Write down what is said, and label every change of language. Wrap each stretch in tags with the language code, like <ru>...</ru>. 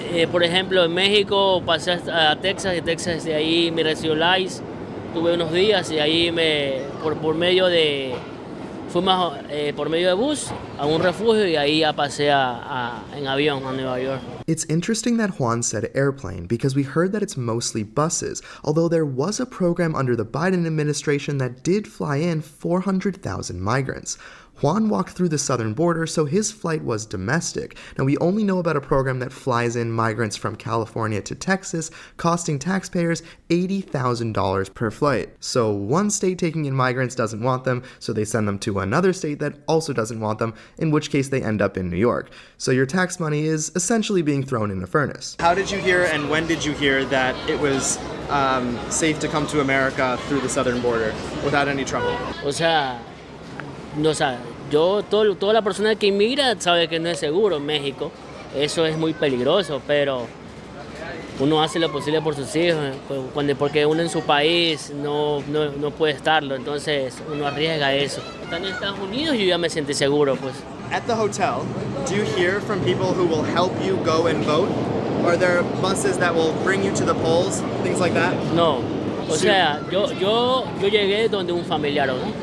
<es>Por ejemplo, en México pasé a Texas, y Texas de ahí me recibió ICE, tuve unos días y ahí me por medio de bus a un refugio y ahí ya pasé en avión a Nueva York.</es> <en>It's interesting that Juan said airplane because we heard that it's mostly buses, although there was a program under the Biden administration that did fly in 400,000 migrants. Juan walked through the southern border, so his flight was domestic. Now, we only know about a program that flies in migrants from California to Texas, costing taxpayers $80,000 per flight. So one state taking in migrants doesn't want them, so they send them to another state that also doesn't want them, in which case they end up in New York. So your tax money is essentially being thrown in a furnace. How did you hear and when did you hear that it was safe to come to America through the southern border without any trouble?</en> <es>O sea, no, o sea, yo, todo, toda la persona que inmigra sabe que no es seguro en México. Eso es muy peligroso, pero uno hace lo posible por sus hijos, cuando, porque uno en su país no puede estarlo, entonces uno arriesga eso. Estando en Estados Unidos yo ya me sentí seguro, pues.</es> <en>At the hotel, do you hear from people who will help you go and vote? Are there buses that will bring you to the polls, things like that?</en> <es>No. O sea, yo llegué donde un familiar, ¿no?</es>